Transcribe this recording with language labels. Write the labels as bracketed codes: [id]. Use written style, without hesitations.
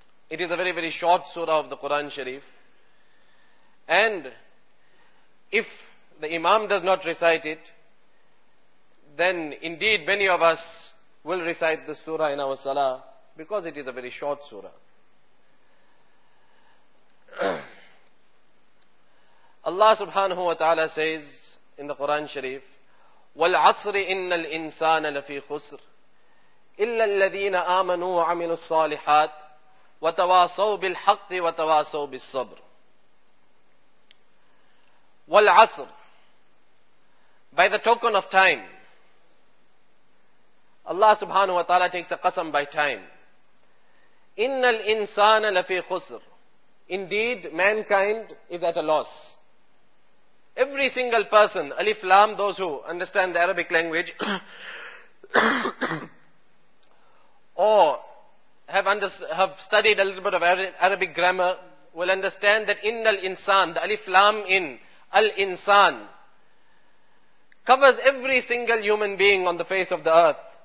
[en] It is a very, very short surah of the Quran Sharif. And if the imam does not recite it, then indeed many of us will recite the surah in our salah because it is a very short surah. Allah subhanahu wa ta'ala says in the Quran Sharif, [ar] وَالْعَصْرِ إِنَّ الْإِنسَانَ لَفِي خُسْرٍ إِلَّا الَّذِينَ آمَنُوا وَعَمِلُوا الصَّالِحَاتِ وَتَوَاصَوْ بِالْحَقِّ وَتَوَاصَوْ بِالصَّبْرِ. وَالْعَصْرِ, [en] by the token of time. Allah subhanahu wa ta'ala takes a qasam by time. [ar] إِنَّ الْإِنسَانَ لَفِي خُسْرٍ. [en] Indeed, mankind is at a loss. Every single person, alif lam, those who understand the Arabic language, or have studied a little bit of Arabic grammar, will understand that in al-insan, the alif lam in al-insan, covers every single human being on the face of the earth.